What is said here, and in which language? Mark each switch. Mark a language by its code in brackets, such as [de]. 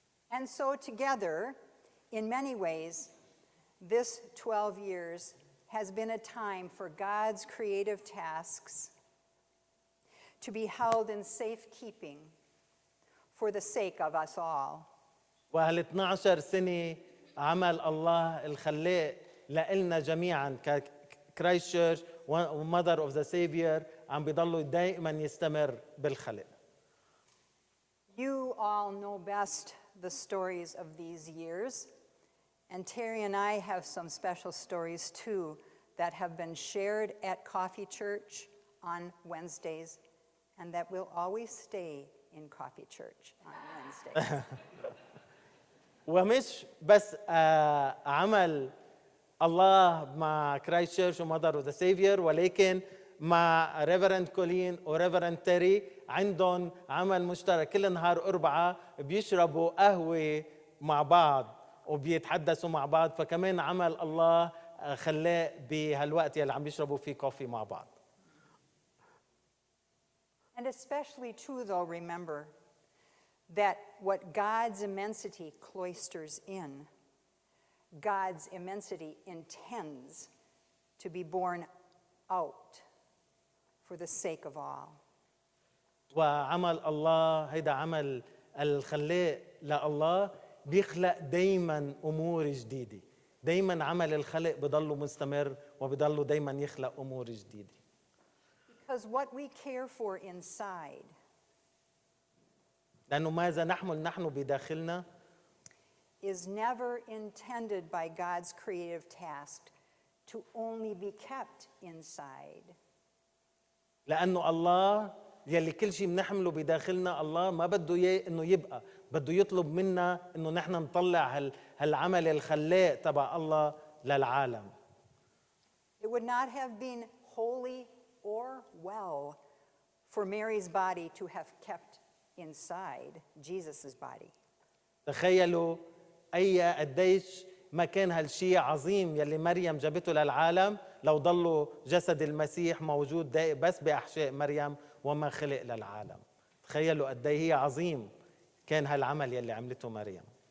[en] And so together, in many ways, this 12 years has been a time for God's creative tasks to be held in safekeeping for the sake of us all. [ar] وهال 12 سنة عمل الله الخلاق لإلنا جميعا ككرايست تشيرش ومذر اوف ذا سيفير عم بيضلوا دائما يستمر بالخلق. [en] You all know best the stories of these years, and Terri and I have some special stories too that have been shared at Coffee Church on Wednesdays and that will always stay in Coffee Church on Wednesdays. [ar] ومش بس عمل الله مع كرايست تشيرش ومذر اوف ذا سيفير ولكن مع ريفرنت كولين وريفرنت تيري عندهم عمل مشترك كل نهار أربعة بيشربوا قهوة مع بعض وبيتحدثوا مع بعض فكمان عمل الله خلاه بهالوقت يلي عم يشربوا فيه كوفي مع بعض. [en] And especially too, though, remember that what God's immensity cloisters in, God's immensity intends to be born out for the sake of all. [ar] وعمل الله هيدا عمل الخلاق لله بيخلق دايما امور جديده دايما عمل الخلق بضله مستمر وبضله دايما يخلق امور جديده. [en] Because what we care for inside, [ar] لانه ماذا نحمل نحن بداخلنا, [en] is never intended by God's creative task to only be kept inside. [ar] لانه الله يلي كل شيء بنحمله بداخلنا الله ما بده اياه انه يبقى بده يطلب منا انه نحن نطلع هالعمل الخلاق تبع الله للعالم. [en] It would not have been holy or well for Mary's body to have kept inside Jesus's body. [ar] تخيلوا اي قديش ما كان هالشيء عظيم يلي مريم جابته للعالم لو ضلوا جسد المسيح موجود دائما بس باحشاء مريم وما خلق للعالم. تخيلوا قد ايه عظيم كان هالعمل يلي عملته مريم.